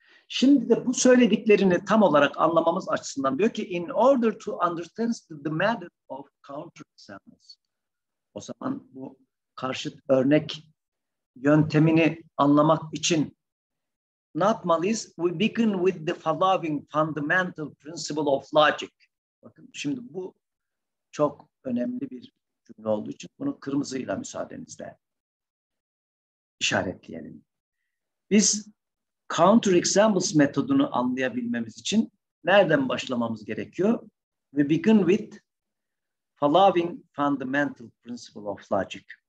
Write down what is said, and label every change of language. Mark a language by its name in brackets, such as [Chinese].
[Turkish] Şimdi de bu söylediklerini tam olarak anlamamız açısından diyor ki [English] in order to understand the method of counter examples. [Turkish] O zaman bu karşıt örnek yöntemini anlamak için ne yapmalıyız? [English] We begin with the following fundamental principle of logic. [Turkish] Bakın şimdi bu çok önemli bir cümle olduğu için bunu kırmızıyla müsaadenizle işaretleyelim. Biz counter examples metodunu anlayabilmemiz için nereden başlamamız gerekiyor? [English] We begin with following fundamental principle of logic.